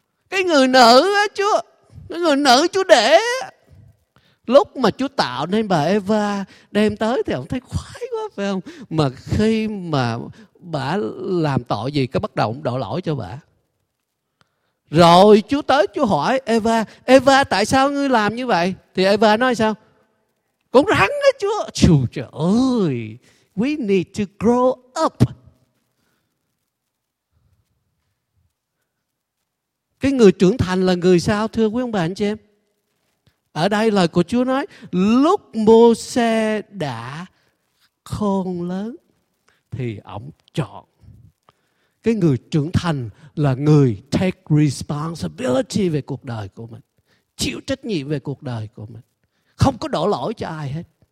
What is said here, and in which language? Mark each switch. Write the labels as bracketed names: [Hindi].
[Vietnamese] Cái người nữ á Chúa, cái người nữ Chúa để. Lúc mà Chúa tạo nên bà Eva đem tới thì ông thấy khoái quá phải không? Mà khi mà bà làm tội gì, cái bắt đầu ông đổ lỗi cho bà. Rồi Chúa tới, Chúa hỏi Eva, Eva tại sao ngươi làm như vậy? Thì Eva nói sao? Con rắn á Chúa. Trời ơi, [English] we need to grow up. [Vietnamese] Cái người trưởng thành là người sao, thưa quý ông bà anh chị em? Ở đây lời của Chúa nói, lúc Môi-se đã khôn lớn thì ổng chọn. Cái người trưởng thành là người [English] take responsibility [Vietnamese] về cuộc đời của mình, chịu trách nhiệm về cuộc đời của mình, không có đổ lỗi cho ai hết.